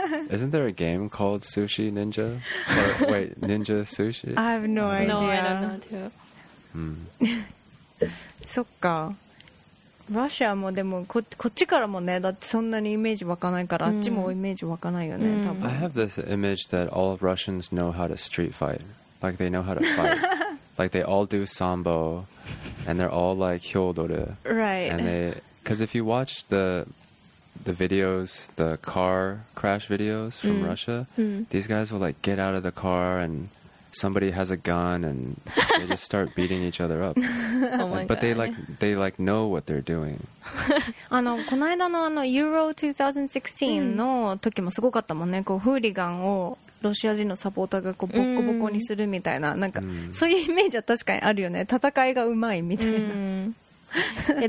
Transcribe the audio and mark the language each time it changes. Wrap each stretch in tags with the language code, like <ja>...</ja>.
<en>Isn't there a game called Sushi Ninja? Wait, Ninja Sushi? I have no idea. No, I don't know too.</en> <ja>そっか。ロシアもでもこっちからもねだってそんなにイメージ湧かないから、うん、あっちもイメージ湧かないよね、うん、多分</ja> <en>I have this image that all Russians know how to street fight like they know how to fight like they all do sambo and they're all like hyodoru right and they because if you watch the the videos, the car crash videos from Russia, these guys will like get out of the car and somebody has a gun and they just start beating each other up. Oh my God. they know what they're doing.</en> <ja>あの、この間のあの、Euro 2016の時もすごかったもんね。こう、フーリガンをロシア人のサポーターがこうボコボコにするみたいな、なんかそういうイメージは確かにあるよね。戦いがうまいみたいな。</ja>